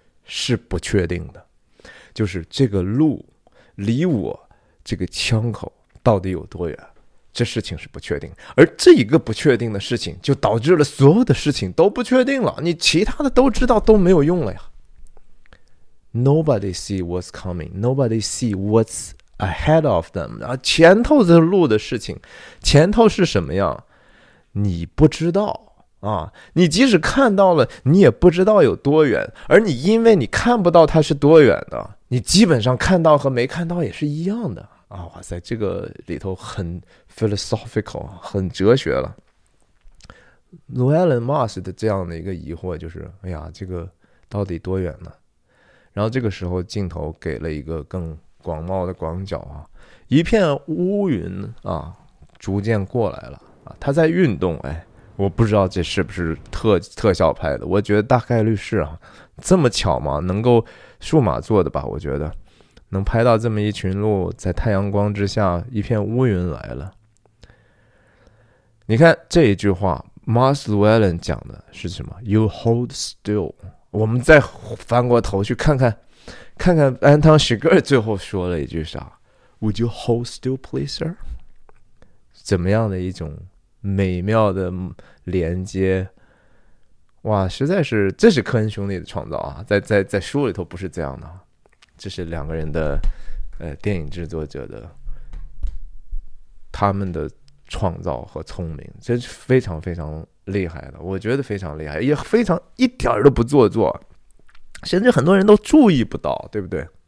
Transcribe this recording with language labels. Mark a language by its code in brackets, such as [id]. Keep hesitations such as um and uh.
[zh] 是不确定的，就是这个路离我这个枪口到底有多远，这事情是不确定。而这一个不确定的事情，就导致了所有的事情都不确定了。你其他的都知道都没有用了呀。 [en] Nobody see what's coming. Nobody see what's ahead of them. [zh] 啊，前头的路的事情，前头是什么样，你不知道。啊，你即使看到了，你也不知道有多远。而你因为你看不到它是多远的，你基本上看到和没看到也是一样的啊！哇塞，这个里头很 philosophical，很哲学了。 n o 伦· l Mars 的这样的一个疑惑就是：哎呀，这个到底多远呢？然后这个时候镜头给了一个更广袤的广角啊，一片乌云啊，逐渐过来了啊，它在运动哎。我不知道这是不是特特效拍的，我觉得大概率是啊，这么巧吗？能够数码做的吧？我觉得能拍到这么一群鹿在太阳光之下，一片乌云来了。你看这一句话 m a r s l l、well、Wallen 讲的是什么？ [en] You hold still。 [zh] 我们再翻过头去看看，看看安汤·史格最后说了一句啥？ [en] Would you hold still, please, sir？ [zh] 怎么样的一种？美妙的连接，哇！实在是，这是科恩兄弟的创造啊，在在在书里头不是这样的，这是两个人的，呃，电影制作者的，他们的创造和聪明，这是非常非常厉害的，我觉得非常厉害，也非常一点儿都不做作，甚至很多人都注意不到，对不对？